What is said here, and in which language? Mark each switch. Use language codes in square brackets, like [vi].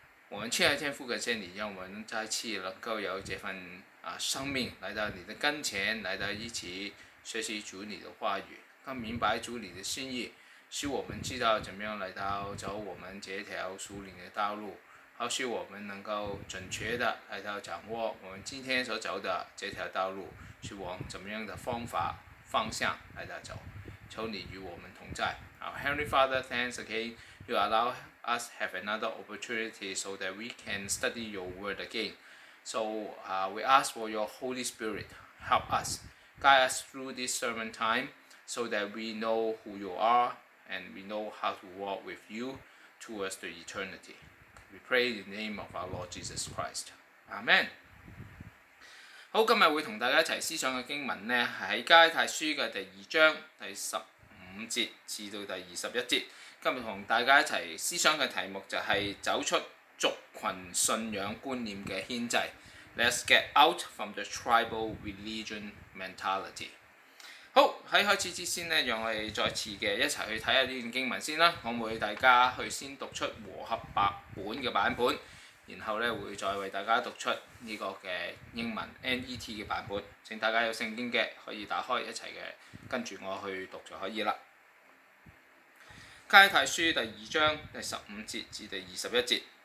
[zh] 我们亲爱天父的真理，让我们再次能够有这份生命来到你的跟前，来到一起学习主你的话语，更明白主你的心意，使我们知道怎么样来到走我们这条属灵的道路，好使我们能够准确的来到掌握我们今天所走的这条道路是往怎么样的方法方向来到走。求你与我们同在。 [en] Our Heavenly Father, thanks again. You allow us to have another opportunity so that we can study your word again. So we ask for your Holy Spirit, help us, guide us through this sermon time so that we know who you are and we know how to walk with you towards the eternity. We pray in the name of our Lord Jesus Christ. Amen. [zh] 好，今天会同大家一起思想的经文呢，是在加拉太书的第二章第十五节至到第二十一节。今天同大家一起思想的题目就是走出族群信仰观念的牵制。 [en] Let's get out from the tribal religion mentality. [zh] 好，在开始之前呢，让我们再次一起去看一下这段经文先啦。我会大家去先读出和合白本的版本，然后呢会再为大家读出这个的英文 NET 的版本。请大家有圣经的可以打开一起的跟着我去读就可以了。加拉太书第二章第十五节至第二十一节。